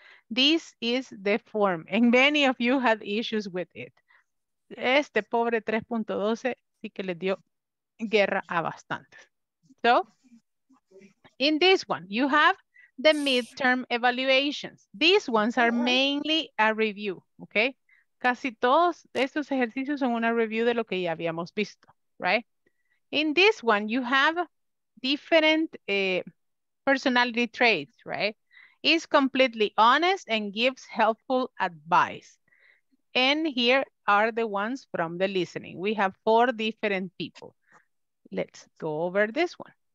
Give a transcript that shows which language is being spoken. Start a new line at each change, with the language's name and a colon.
English: This is the form. And many of you had issues with it.
Spanish: Este pobre 3.12 sí que le dio guerra a bastantes.
English: So, in this one, you have the midterm evaluations. These ones are mainly a review, okay?
Spanish: Casi todos estos ejercicios son una review de lo que ya habíamos visto, right?
English: In this one, you have different personality traits, right? Is completely honest and gives helpful advice. And here are the ones from the listening. We have four different people. Let's go over this one.